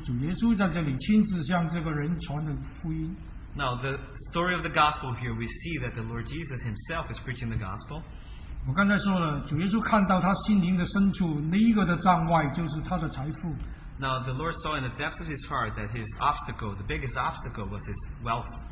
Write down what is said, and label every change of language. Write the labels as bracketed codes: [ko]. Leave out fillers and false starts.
[zh] 所以这个福音的故事是主耶稣在这里亲自向这个人传的福音。 [en] Now, the story of the gospel here, we see that the Lord Jesus himself is preaching the gospel. [zh] 我刚才说了, 主耶稣看到他心灵的深处, 那一个的障碍就是他的财富。 [en] Now, the Lord saw in the depths of his heart that his obstacle, the biggest obstacle, was his wealth.